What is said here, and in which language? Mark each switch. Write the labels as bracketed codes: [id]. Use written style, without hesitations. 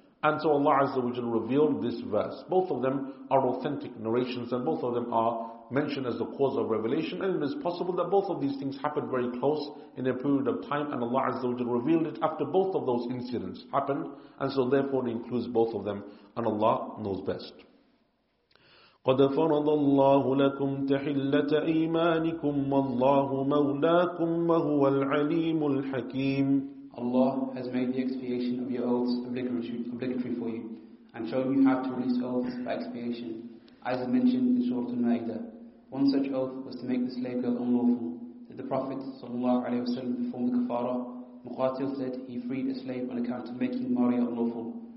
[en] And so Allah Azza wa Jalla revealed this verse. Both of them are authentic narrations and both of them are mentioned as the cause of revelation. And it is possible that both of these things happened very close in a period of time, and Allah Azza wa Jalla revealed it after both of those incidents happened. And so therefore it includes both of them, and Allah knows best. [ar] قد فرض الله لكم تحلة إيمانكم والله مولاكم وهو العليم الحكيم. [en] Allah has made the expiation of your oaths obligatory for you and shown you how to release oaths by expiation, as is mentioned in Surah Al-Ma'idah. One such oath was to make the slave girl unlawful. Did the Prophet ﷺ perform the kafara? Muqatil said he freed a slave on account of making Maria unlawful.